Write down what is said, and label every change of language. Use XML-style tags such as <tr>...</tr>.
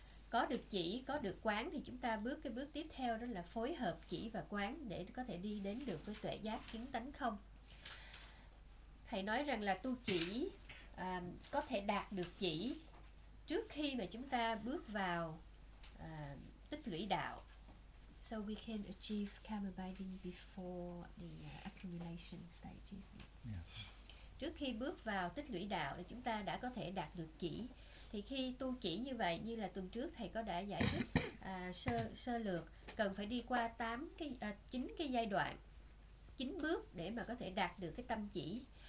<vi>Có được chỉ, có được quán thì chúng ta bước cái bước tiếp theo, đó là phối hợp chỉ và quán để có thể đi đến được với tuệ giác chứng tánh không. Thầy nói rằng là tu chỉ có thể đạt được chỉ trước khi mà chúng ta bước vào tích lũy đạo.</vi> <en>So we can achieve calm abiding before the accumulation stage. Yeah.</en> <vi>Trước khi bước vào tích lũy đạo thì chúng ta đã có thể đạt được chỉ. Thì khi tu chỉ như vậy, như là tuần trước thầy có đã giải thích sơ lược, cần phải đi qua chín cái giai đoạn, chín bước để mà có thể đạt được cái tâm chỉ.</vi>